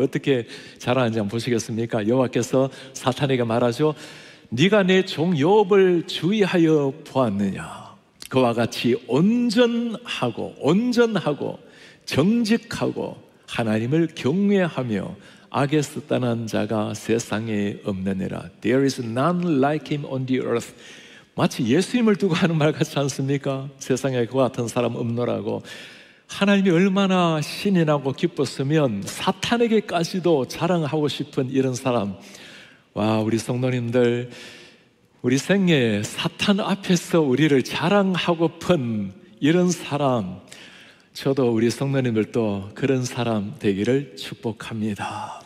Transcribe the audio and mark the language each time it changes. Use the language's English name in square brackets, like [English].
[Korean] 어떻게 자랑하는지 한번 보시겠습니까? 여호와께서 사탄에게 말하죠. 네가 내 종 욥을 주의하여 보았느냐? 그와 같이 온전하고 정직하고 하나님을 경외하며 악에서 떠난 자가 세상에 없느니라. [English] There is none like him on the earth. [Korean] 마치 예수님을 두고 하는 말 같지 않습니까? 세상에 그와 같은 사람 없노라고. 하나님이 얼마나 신이 나고 기뻤으면 사탄에게까지도 자랑하고 싶은 이런 사람. 와, 우리 성도님들, 우리 생에 사탄 앞에서 우리를 자랑하고픈 이런 사람, 저도 우리 성도님들도 그런 사람 되기를 축복합니다.